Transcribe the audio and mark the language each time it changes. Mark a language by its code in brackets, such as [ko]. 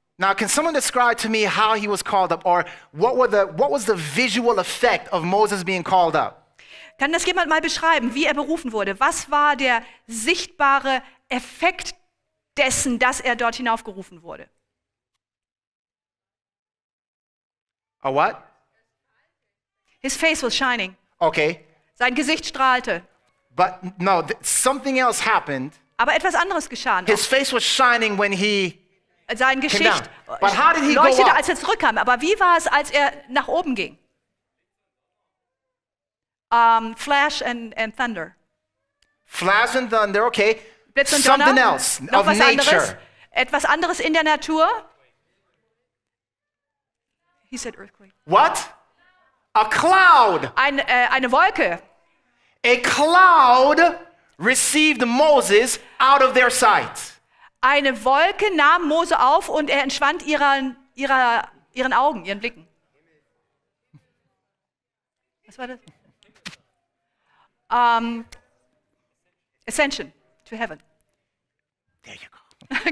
[en] Now, can someone describe to me how he was called up, or what was the visual effect of Moses being called up? [de] Kann das jemand mal beschreiben, wie er berufen wurde? Was war der sichtbare Effekt dessen, dass er dort hinaufgerufen wurde? [en] A what? His face was shining. Okay. [de] Sein Gesicht strahlte. [en] But no, something else happened. [de] Aber etwas anderes geschah. [en] His face was shining when he. [de] Sein Gesicht leuchtete, als er zurückkam. Aber wie war es, als er nach oben ging? [en] Flash and thunder. Flash and thunder, okay. [de] Blitz und Donner. [en] Something else of nature. [de] Etwas anderes in der Natur. [en] He said earthquake. What? A cloud. [de] Eine Wolke. [en] A cloud received Moses out of their sight. [de] Eine Wolke nahm Mose auf und er entschwand ihren Augen, ihren Blicken. Was war das? Ascension. [en] to heaven. There you go.